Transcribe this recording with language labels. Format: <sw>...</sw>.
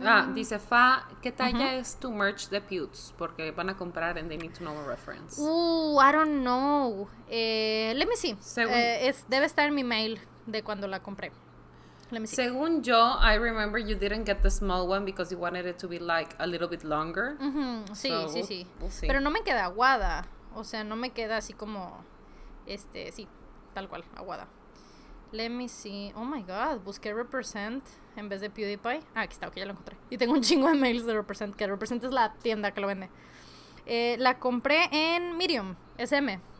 <es>Ah, dice Fa, ¿qué talla es tu merch de Pewds? Porque van a comprar</es> <en>and they need to know a reference. I don't know. Let me see.</en> <es>Debe estar en mi mail de cuando la compré.</es> <en>Let me see.</en> <es>Según yo,</es> <en>I remember you didn't get the small one because you wanted it to be like a little bit longer.</en> <es>Sí, so, sí.</es> <en>We'll see.</en> <es>Pero no me queda aguada. O sea, no me queda así como, sí. Tal cual, aguada.</es> <en>Let me see. Oh my god,</en> <es>busqué Represent en vez de PewDiePie. Ah, aquí está, ok, ya lo encontré. Y tengo un chingo de mails de Represent, que Represent es la tienda que lo vende. La compré en Medium, SM.</es>